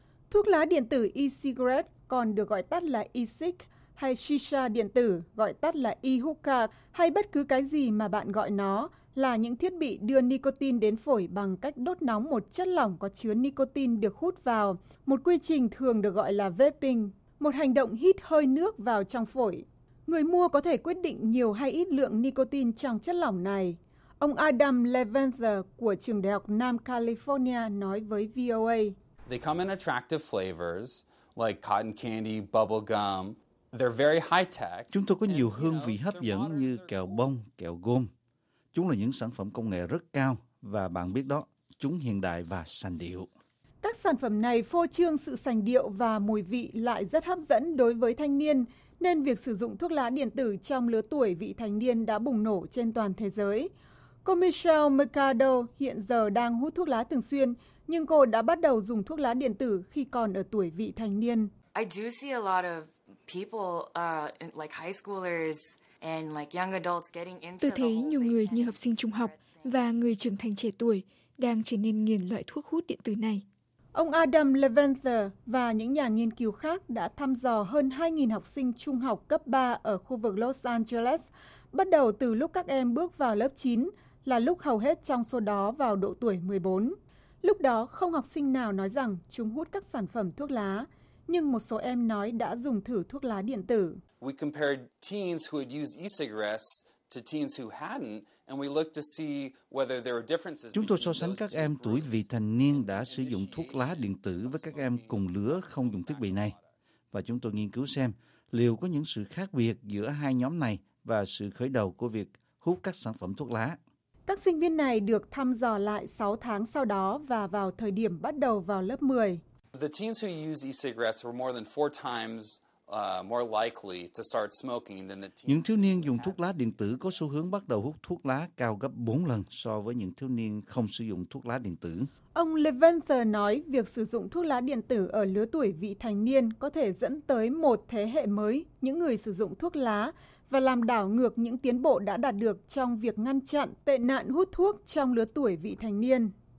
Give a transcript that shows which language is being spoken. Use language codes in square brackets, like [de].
[vi] Thuốc lá điện tử e-cigarette còn được gọi tắt là e-cig hay shisha điện tử, gọi tắt là e-hookah, hay bất cứ cái gì mà bạn gọi nó, là những thiết bị đưa nicotine đến phổi bằng cách đốt nóng một chất lỏng có chứa nicotine được hút vào, một quy trình thường được gọi là vaping, một hành động hít hơi nước vào trong phổi. Người mua có thể quyết định nhiều hay ít lượng nicotine trong chất lỏng này. Ông Adam Levenzer của Trường Đại học Nam California nói với VOA. [en] They come in attractive flavors, like cotton candy, bubble gum. They're very high tech. [vi] Chúng tôi có nhiều hương vị hấp dẫn như kẹo bông, kẹo gôm. Chúng là những sản phẩm công nghệ rất cao và bạn biết đó, chúng hiện đại và sành điệu. Các sản phẩm này phô trương sự sành điệu và mùi vị lại rất hấp dẫn đối với thanh niên, nên việc sử dụng thuốc lá điện tử trong lứa tuổi vị thành niên đã bùng nổ trên toàn thế giới. Cô Michelle Mercado hiện giờ đang hút thuốc lá thường xuyên, nhưng cô đã bắt đầu dùng thuốc lá điện tử khi còn ở tuổi vị thành niên. [en] I do see a lot of people like high schoolers and like young adults getting into. [vi] Tôi thấy nhiều người như học sinh trung học và người trưởng thành trẻ tuổi đang trở nên nghiện loại thuốc hút điện tử này. Ông Adam Levenser và những nhà nghiên cứu khác đã thăm dò hơn 2.000 học sinh trung học cấp 3 ở khu vực Los Angeles, bắt đầu từ lúc các em bước vào lớp 9, là lúc hầu hết trong số đó vào độ tuổi 14. Lúc đó, không học sinh nào nói rằng chúng hút các sản phẩm thuốc lá, nhưng một số em nói đã dùng thử thuốc lá điện tử. [en] We compared teens who had used e-cigarettes to teens who hadn't, and we looked to see whether there were differences. [vi] Chúng tôi so sánh các em tuổi vị thành niên đã sử dụng thuốc lá điện tử với các em cùng lứa không dùng thiết bị này, và chúng tôi nghiên cứu xem liệu có những sự khác biệt giữa hai nhóm này và sự khởi đầu của việc hút các sản phẩm thuốc lá. Các sinh viên này được thăm dò lại 6 tháng sau đó và vào thời điểm bắt đầu vào lớp 10. [en] The teens who use e-cigarettes were more than 4 times more likely to start smoking than the teens. [vi] Những thiếu niên dùng thuốc lá điện tử có xu hướng bắt đầu hút thuốc lá cao gấp 4 lần so với những thiếu niên không sử dụng thuốc lá điện tử. Ông Levenser nói việc sử dụng thuốc lá điện tử ở lứa tuổi vị thành niên có thể dẫn tới một thế hệ mới những người sử dụng thuốc lá và làm đảo ngược những tiến bộ đã đạt được trong việc ngăn chặn tệ nạn hút thuốc trong lứa tuổi vị thành niên.